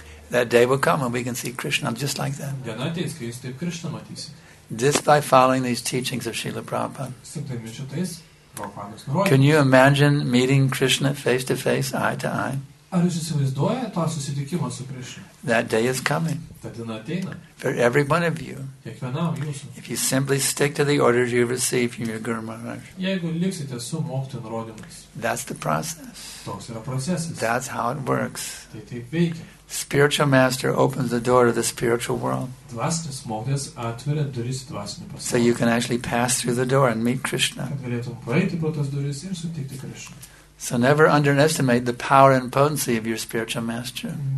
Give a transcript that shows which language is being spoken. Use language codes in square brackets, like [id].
[en] That day will come and we can see Krishna just like that. Just by following these teachings of Srila Prabhupada. Can you imagine meeting Krishna face to face, eye to eye? [lt] Ar jūs įsivaizduojate tą susitikimą su Krishna? [en] That day is coming. [lt] Ta diena ateina. [en] For every one of you. [lt] Kiekvienam jūsų. [en] If you simply stick to the orders you receive from your Guru Maharaj. [lt] Jeigu liksite su mokytojo nurodymais. [en] That's the process. [lt] Toks yra procesas. [en] That's how it works. [lt] Tai taip veikia. [en] Spiritual master opens the door to the spiritual world. [lt] Dvasinis mokytojas atveria duris į dvasinį pasaulį. [en] So you can actually pass through the door and meet Krishna. [lt] Kad galėtum praeiti pro tas duris ir sutikti Krishna. [en] So never underestimate the power and potency of your spiritual master.